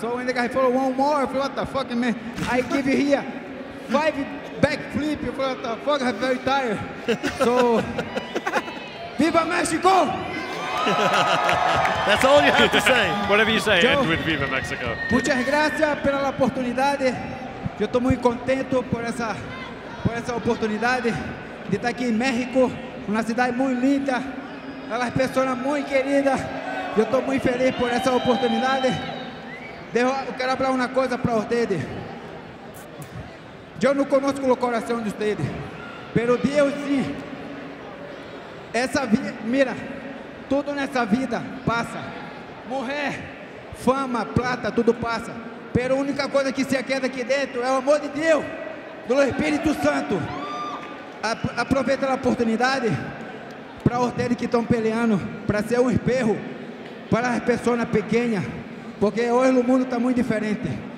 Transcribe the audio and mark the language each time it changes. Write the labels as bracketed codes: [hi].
[en] So when the guy follow one more, I feel, what the fuck, man? I give you here five backflips. You feel, what the fuck? I'm very tired. So, Viva Mexico! That's all you have to say. Whatever you say, Joe, end with Viva Mexico. [es] Muchas gracias por la oportunidad. Yo estoy muy contento por esa oportunidad de estar aquí en México, una ciudad muy linda, a las personas muy queridas. Yo estoy muy feliz por esa oportunidad. Quiero hablar una cosa para ustedes. Yo no conozco el corazón de ustedes, pero Dios sí. Esa vida, mira, todo en esa vida pasa. Mujer, fama, plata, todo pasa. [pt] Pero a única coisa que se queda aqui dentro é o amor de Deus, do Espírito Santo. Aproveita a oportunidade para os que estão peleando, para ser espelho para as pessoas pequenas, porque hoje o mundo está muito diferente.